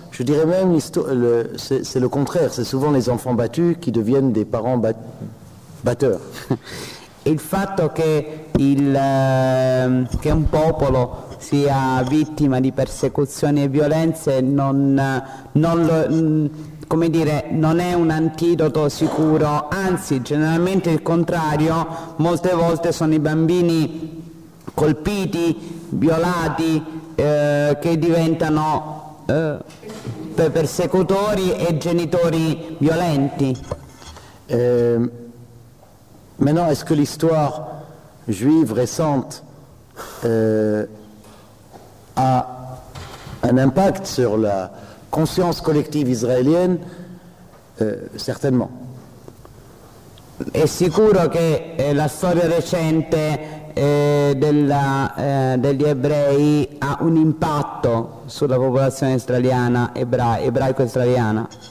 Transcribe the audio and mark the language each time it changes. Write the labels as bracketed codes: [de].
[fr] Je dirais même, c'est le contraire, c'est souvent les enfants battus qui deviennent des parents batteurs. [it] Il fatto che che un popolo sia vittima di persecuzioni e violenze non è un antidoto sicuro, anzi generalmente il contrario, molte volte sono i bambini colpiti, violati, che diventano persecutori e genitori violenti. [fr] Maintenant, est-ce que l'histoire juive récente a un impact sur la conscience collective israélienne? Certainement. [it] È sicuro che la storia recente degli ebrei ha un impatto sulla popolazione israeliana, ebraico-israeliana?